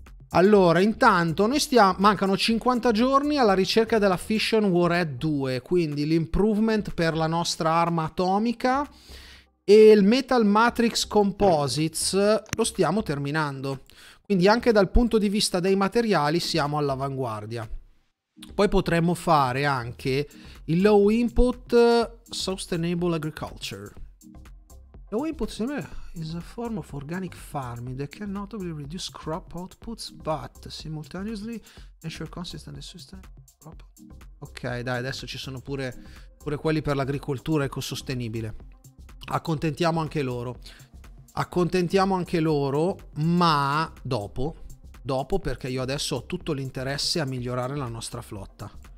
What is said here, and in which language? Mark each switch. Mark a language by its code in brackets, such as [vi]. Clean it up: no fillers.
[it] Allora, intanto, mancano 50 giorni alla ricerca della Fission Warhead 2, quindi l'improvement per la nostra arma atomica, e il Metal Matrix Composites lo stiamo terminando. Quindi anche dal punto di vista dei materiali siamo all'avanguardia. Poi potremmo fare anche il Low Input Sustainable Agriculture. [en] Low Input is a form of organic farming that can notably reduce crop outputs but simultaneously ensure consistent and sustainable crop. [it] Ok, dai, adesso ci sono pure quelli per l'agricoltura ecosostenibile. Accontentiamo anche loro, ma dopo. Dopo, perché io adesso ho tutto l'interesse a migliorare la nostra flotta.